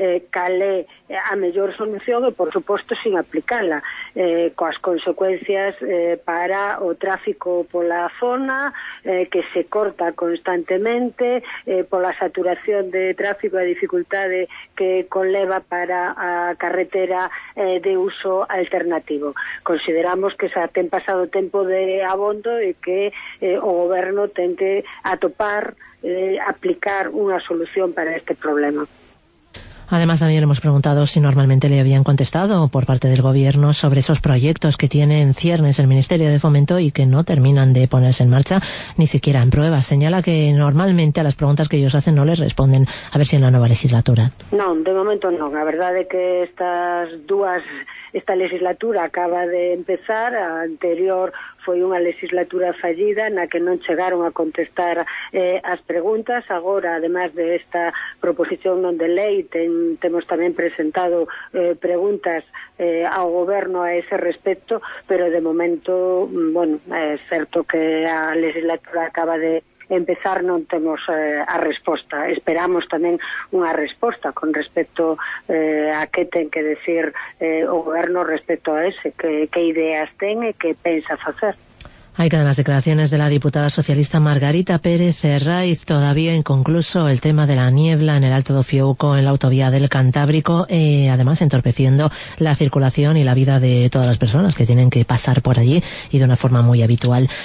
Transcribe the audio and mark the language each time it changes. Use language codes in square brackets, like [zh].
[gl] calé a mellor solución e, por suposto, sin aplicala, coas consecuencias para o tráfico pola zona, que se corta constantemente, pola saturación de tráfico e dificultade que conleva para a carretera de uso alternativo. Consideramos que xa ten pasado tempo de abondo e que o goberno ten que atopar, aplicar unha solución para este problema. [es] Además, también le hemos preguntado si normalmente le habían contestado por parte del gobierno sobre esos proyectos que tiene en ciernes el Ministerio de Fomento y que no terminan de ponerse en marcha, ni siquiera en prueba. Señala que normalmente a las preguntas que ellos hacen no les responden, a ver si en la nueva legislatura. No, de momento no. La verdad es que esta legislatura acaba de empezar. [gl] A anterior foi unha legislatura fallida na que non chegaron a contestar as preguntas. Agora, además de esta proposición non de lei, temos tamén presentado preguntas ao goberno a ese respecto, pero de momento, bueno, é certo que a legislatura acaba de empezar, non temos a resposta. Esperamos tamén unha resposta con respecto a que ten que decir o goberno respecto a ese, que ideas ten e que pensa facer. [es] Ahí quedan las declaraciones de la diputada socialista Margarita Pérez Herraiz. Todavía inconcluso el tema de la niebla en el Alto do Fiouco, en la autovía del Cantábrico, además entorpeciendo la circulación y la vida de todas las personas que tienen que pasar por allí y de una forma muy habitual.